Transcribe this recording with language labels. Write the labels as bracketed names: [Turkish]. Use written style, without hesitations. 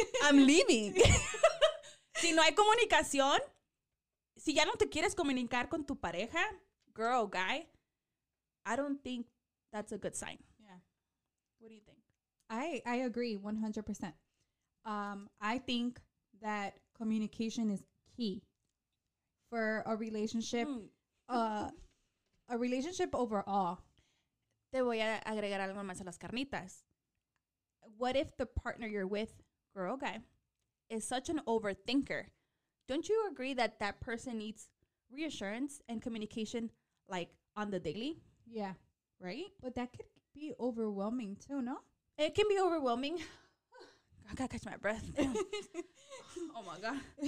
[English] I'm leaving. [Spanish] Si no hay comunicación, si ya no te quieres comunicar con tu pareja, [English] girl, guy, I don't think that's a good sign. Yeah. What do you think? I agree 100%. I think that communication is key for a relationship, a relationship overall. [Spanish] Te voy a agregar algo más a las carnitas. [English] What if the partner you're with, girl, guy, is such an overthinker? Don't you agree that that person needs reassurance and communication, like, on the daily? Yeah. Right? But that could be overwhelming too, no? It can be overwhelming. I gotta catch my breath. Oh my god!